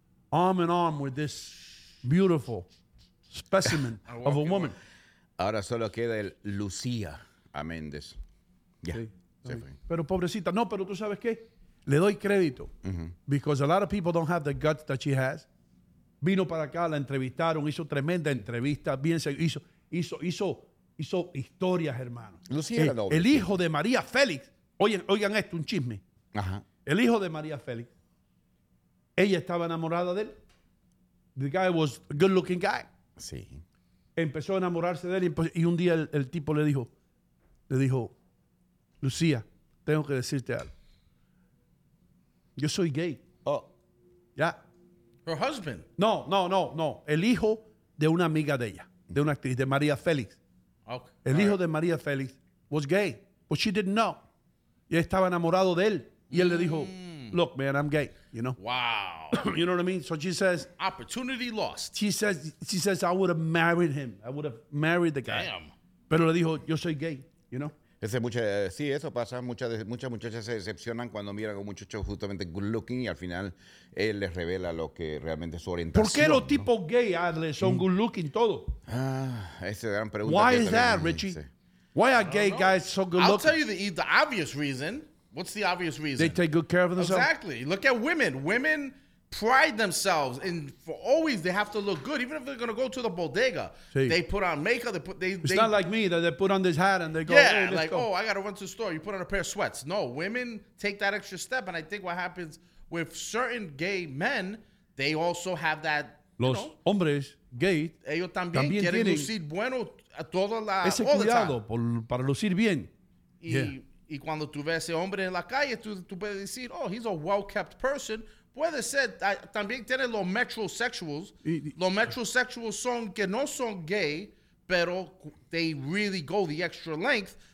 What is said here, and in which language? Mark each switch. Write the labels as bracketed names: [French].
[English] Arm in arm with this beautiful specimen of a woman. Away. [Spanish] Ahora solo queda el Lucía a Méndez. Ya. Yeah. Sí. Pero pobrecita. No, pero tú sabes qué. Le doy crédito. Uh-huh. [English] Because a lot of people don't have the guts that she has. [Spanish] Vino para acá, la entrevistaron, hizo tremenda entrevista. Hizo historias, hermano. Lucía era doble. El hijo de María Félix. Oigan esto, un chisme. Ajá. El hijo de María Félix. Ella estaba enamorada de él. [English] The guy was a good looking guy. [Spanish] Sí. Empezó a enamorarse de él y un día el tipo le dijo, Lucía, tengo que decirte algo. Yo soy gay. Oh. ¿Ya? [English] Her husband. [Spanish] No. El hijo de una amiga de ella, de una actriz, de María Félix. [English] Okay. [Spanish] El hijo de [English] María Félix was gay, but she didn't know. [Spanish] Y estaba enamorado de él. Y él le dijo, [English] look, man, I'm gay, you know? Wow. You know what I mean? So she says... Opportunity lost. She says, I would have married him. I would have married the guy. Damn. [Spanish] Pero le dijo, yo soy gay, [English] you know? [Spanish] Sí, eso pasa. Muchas muchachas se decepcionan cuando miran a un muchacho justamente [English] good looking [Spanish] y al final él les revela lo que realmente es su orientación. ¿Por qué los ¿no? tipos gay, Adler, son [English] good looking [Spanish] todos? Ah, esa es la gran pregunta. [English] Why is that, Richie? [Spanish] Dice. [English] Why are gay guys so good looking? I'll tell you the obvious reason. What's the obvious reason? They take good care of themselves. Exactly. Look at women. Women pride themselves in for always they have to look good, even if they're going to go to the bodega. [Spanish] Sí. [English] They put on makeup. It's not like me that they put on this hat and they go, yeah, hey, let's like, go. Oh, I got to run to the store. You put on a pair of sweats. No, women take that extra step. And I think what happens with certain gay men, they also have that. [Spanish] Los [English] you know, [Spanish] hombres gay. Ellos también quieren lucir bueno a toda la. Ese cuidado para lucir bien. Y cuando tú ves ese hombre en la calle, tú puedes decir, [English] oh, he's a well-kept person. [Spanish] Puede ser, también tiene los metrosexuals. Los metrosexuals son que no son gay, pero [English] they really go the extra length.